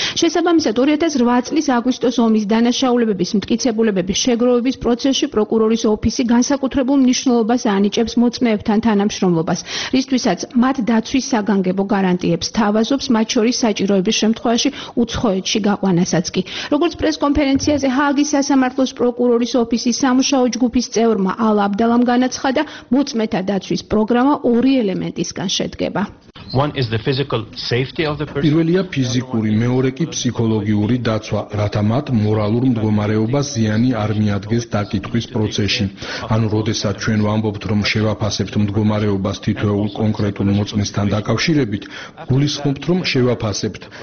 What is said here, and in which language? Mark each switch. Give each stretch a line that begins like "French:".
Georgian: შესაბამისად, 2008 წლის აგვისტოს ომის დანაშაულებების მტკიცებულებების შეგროვების პროცესში პროკურორის ოფისი განსაკუთრებულ მნიშვნელობას ანიჭებს მოწმეებთან თანამშრომლობას, რისთვისაც მათ დაცვის საგანგებო გარანტიებს თავაზობს, მათ შორის საჭიროების შემთხვევაში უცხოეთში გაყვანასაც კი. როგორც პრესკონფერენციაზე ჰააგის სასამართლოს პროკურორის ოფისის სამუშაო ჯგუფის წევრმა ალ აბდალამ განაცხადა, მოწმეთა დაცვის პროგრამა პროგრამა ორი ელემენტისგან შედგება.
English: One is the physical safety of the person.
Georgian: პირველია ფიზიკური, მეორე კი ფსიქოლოგიური დაცვა, რათა მათ მორალურ მდგომარეობას ზიანი არ მიადგეს დაკითხვის პროცესში. ანუ როდესაც ჩვენ ვამბობთ, რომ შევაფასებთ მდგომარეობას თითოეულ კონკრეტულ მოწმესთან დაკავშირებით, გულისხმობთ, რომ შევაფასებთ.